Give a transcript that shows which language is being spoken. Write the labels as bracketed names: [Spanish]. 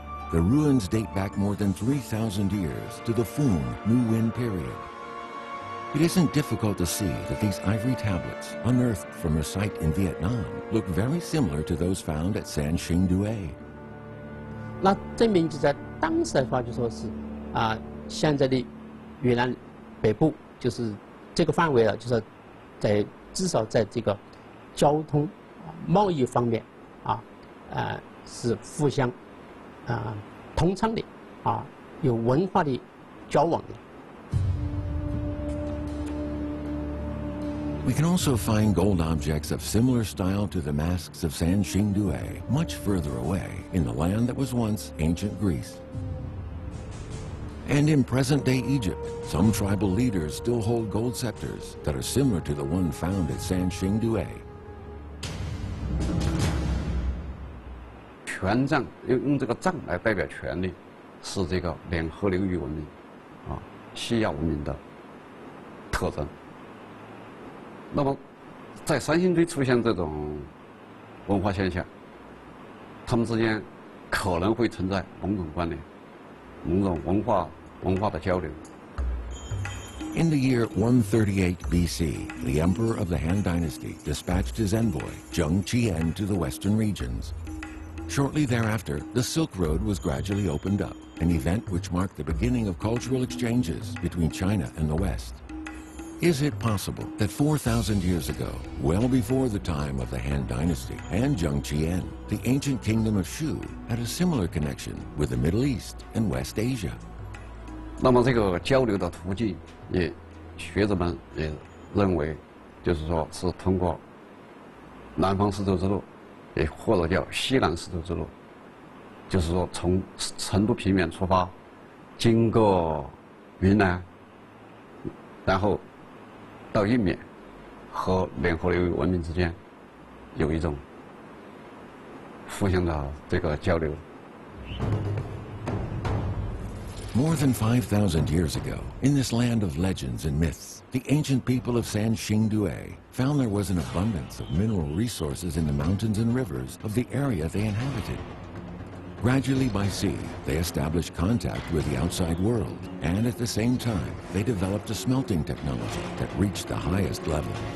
[English] The ruins date back more than 3,000 years to the Phung New Win period. It isn't difficult to see that these ivory tablets unearthed from a site in Vietnam look very similar to those found at Sanxingdui. [Chinese] 那证明就在当时的话，就说是，现在的越南北部就是这个范围了，就是在至少在这个交通贸易方面啊，是互相通畅的啊，有文化的交往的。 [English] We can also find gold objects of similar style to the masks of Sanxingdui much further away in the land that was once ancient Greece. And in present-day Egypt, some tribal leaders still hold gold scepters that are similar to the one found at Sanxingdui. [Chinese] 权杖用这个杖来代表权力，是这个两河流域文明，啊，西亚文明的特征。那么在三星堆出现这种文化现象，他们之间可能会存在某种关联，某种文化的交流。 [English] In the year 138 BC, the emperor of the Han Dynasty dispatched his envoy, Zheng Qian, to the western regions. Shortly thereafter, the Silk Road was gradually opened up, an event which marked the beginning of cultural exchanges between China and the West. Is it possible that 4,000 years ago, well before the time of the Han Dynasty and Zheng Qian, the ancient kingdom of Shu had a similar connection with the Middle East and West Asia? [Chinese] 那么这个交流的途径也学者们也认为就是说是通过南方丝绸之路，也或者叫西南丝绸之路，就是说从成都平原出发，经过云南，然后到印缅和两河流域文明之间有一种互相的这个交流。 [English] More than 5,000 years ago, in this land of legends and myths, the ancient people of Sanxingdui found there was an abundance of mineral resources in the mountains and rivers of the area they inhabited. Gradually by sea, they established contact with the outside world, and at the same time, they developed a smelting technology that reached the highest level.